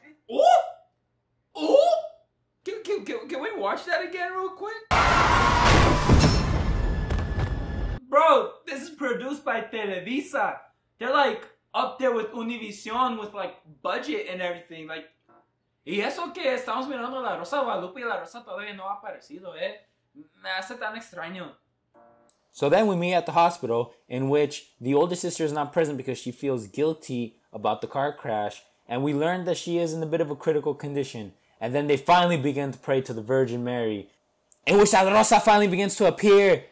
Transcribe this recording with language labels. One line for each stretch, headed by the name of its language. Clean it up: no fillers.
English: Ooh! Ooh! Can we watch that again real quick? Bro, this is produced by Televisa. They're like up there with Univision with like budget and everything.
Spanish: Like, y eso que estamos mirando la Rosa Guadalupe y la Rosa todavía no ha aparecido, eh? Me hace tan extraño.
English: So then we meet at the hospital, in which the older sister is not present because she feels guilty about the car crash, and we learn that she is in a bit of a critical condition. And then they finally begin to pray to the Virgin Mary, in which La Rosa finally begins to appear.